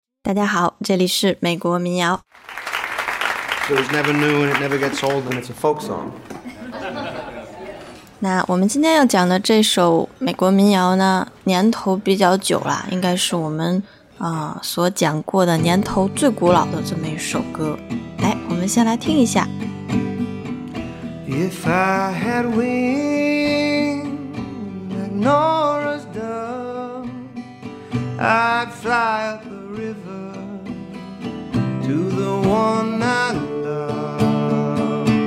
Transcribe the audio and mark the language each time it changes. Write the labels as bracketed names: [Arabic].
[Chinese] 大家好，这里是美国民谣。 [English] So it's never new and it never gets old and it's a folk song. [Chinese] 那我们今天要讲的这首美国民谣呢，年头比较久了，应该是我们所讲过的年头最古老的这么一首歌。来，我们先来听一下。 [English] If I had wings and Nora's dove, I'd fly up the river to the one I love.